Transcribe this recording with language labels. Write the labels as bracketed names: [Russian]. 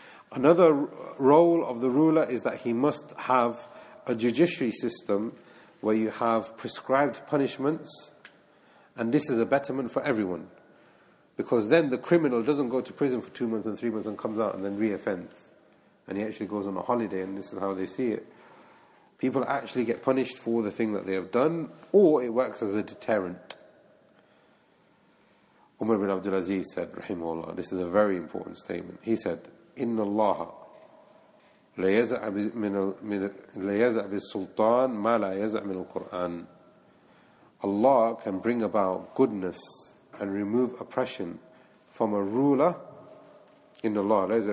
[English] Another role of the ruler is that he must have a judiciary system where you have prescribed punishments, and this is a betterment for everyone, because then the criminal doesn't go to prison for 2 months and 3 months and comes out and then reoffends, and he actually goes on a holiday, and this is how they see it. People actually get punished for the thing that they have done, or it works as a deterrent. Umar bin Abdulaziz said, Rahimahullah, this is a very important statement. He said, [Arabic] Inna Allah لَيَزَعْ بِالسُّلْطَانِ مَا لَا يَزَعْ مِنُ الْقُرْآنِ. [English] Allah can bring about goodness and remove oppression from a ruler in Allah.